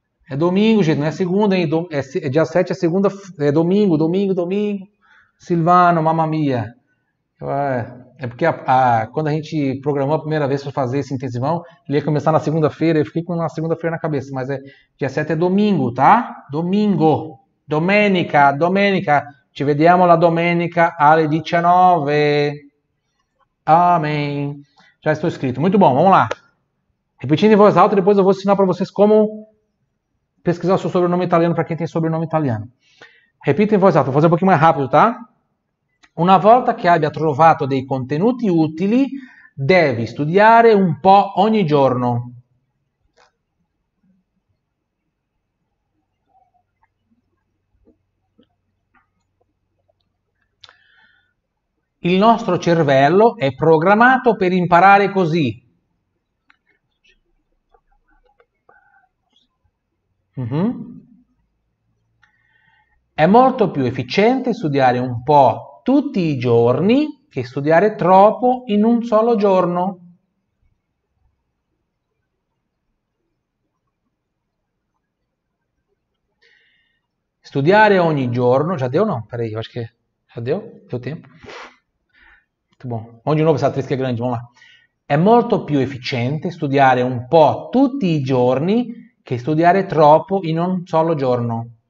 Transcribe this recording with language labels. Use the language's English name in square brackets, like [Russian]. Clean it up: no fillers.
[Portuguese] É domingo, gente, não é segunda, hein? É dia 7 é segunda, é domingo, domingo, domingo. Silvano, mamma mia. É porque quando a gente programou a primeira vez para fazer esse intensivão, ele ia começar na segunda-feira, eu fiquei com uma segunda-feira na cabeça, mas é dia 7 é domingo, tá? [Italian] Domingo. Domenica, domenica. Ci vediamo la domenica alle 19. [Portuguese] Amém. Já estou escrito. Muito bom, vamos lá. Repetindo em voz alta, depois eu vou ensinar para vocês como pesquisar o seu sobrenome italiano para quem tem sobrenome italiano. Repita em voz alta, vou fazer um pouquinho mais rápido, tá? [Italian] Una volta che abbia trovato dei contenuti utili, devi studiare un po' ogni giorno. Il nostro cervello è programmato per imparare così. È molto più efficiente studiare un po' tutti i giorni, che studiare troppo in un solo giorno. Studiare ogni giorno, [Portuguese] já deu não? Peraí, eu acho que já deu o tempo. Muito bom. [Italian] Ogni nuovo sarà triste grande, [Portuguese] vamos lá. [Italian] È molto più efficiente studiare un po' tutti i giorni che studiare troppo in un solo giorno.